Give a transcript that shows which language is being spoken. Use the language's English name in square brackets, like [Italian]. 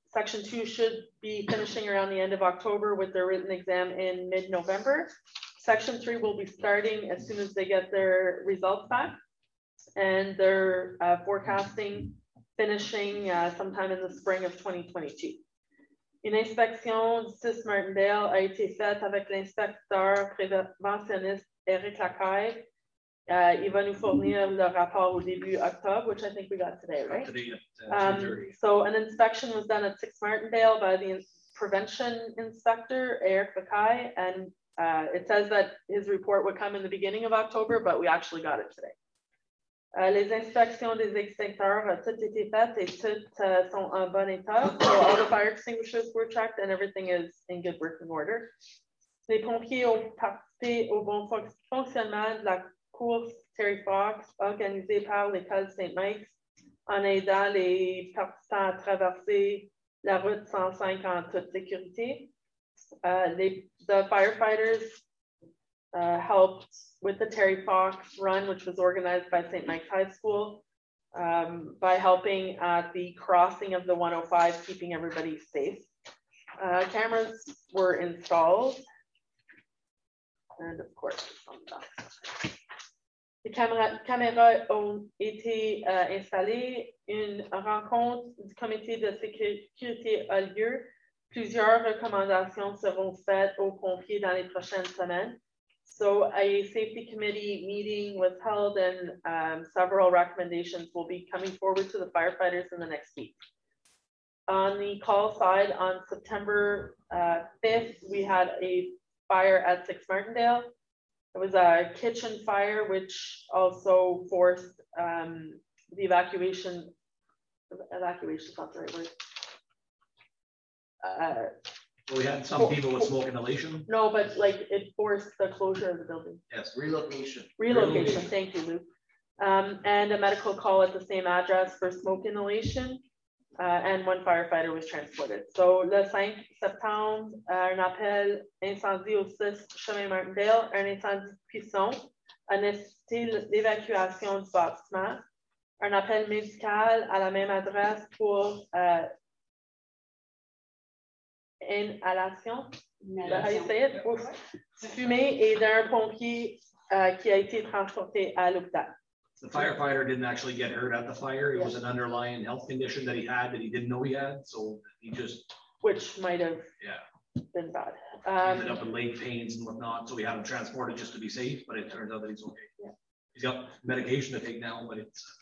[English] Section 2 should be finishing around the end of October with their written exam in mid-November. Section 3 will be starting as soon as they get their results back. And they're forecasting finishing sometime in the spring of 2022. [French] Une inspection du 6 Martindale a été faite avec l'inspecteur préventionniste Eric Lacaille. Il va nous fournir le rapport au début octobre, [English] which I think we got today, right? So an inspection was done at 6 Martindale by the prevention inspector, Eric Lacaille, and it says that his report would come in the beginning of October, but we actually got it today. [French] Les inspections des extincteurs ont toutes été faites et toutes sont en bon état. [English] So all the fire extinguishers were checked and everything is in good working order. [French] Les pompiers ont participé au bon fonctionnement de la course Terry Fox organisée par l'école Saint-Mike en aidant les participants à traverser la route 105 en toute sécurité. [English] The firefighters helped with the Terry Fox run, which was organized by St. Mike's High School, by helping at the crossing of the 105, keeping everybody safe. Cameras were installed. And of course, the [French] caméras ont été installées. Une rencontre du comité de sécurité a lieu. Plusieurs recommandations seront faites aux pompiers dans les prochaines semaines. [English] So a safety committee meeting was held and several recommendations will be coming forward to the firefighters in the next week. On the call side, on September 5th, we had a fire at 6 Martindale. It was a kitchen fire, which also forced the evacuation is not the right word. Well, we had some people with smoke inhalation. No, but like it forced the closure of the building. Yes, relocation. Relocation. Thank you, Luke. And a medical call at the same address for smoke inhalation. And one firefighter was transported. [French] So, le 5 septembre, un appel incendie au 6 chemin Martindale, un incendie puissant, a nécessité l'évacuation du bâtiment. Un appel médical à la même adresse pour. Inhalation, [English] how you say it? [French] Du fumée et d'un pompier qui a été transporté à l'hôpital. [English] The firefighter didn't actually get hurt at the fire. It was an underlying health condition that he had that he didn't know he had. So he just. Which might have been bad. Ended up in leg pains and whatnot. So we had him transported just to be safe, but it turns out that he's okay. Yeah. He's got medication to take now, but it's.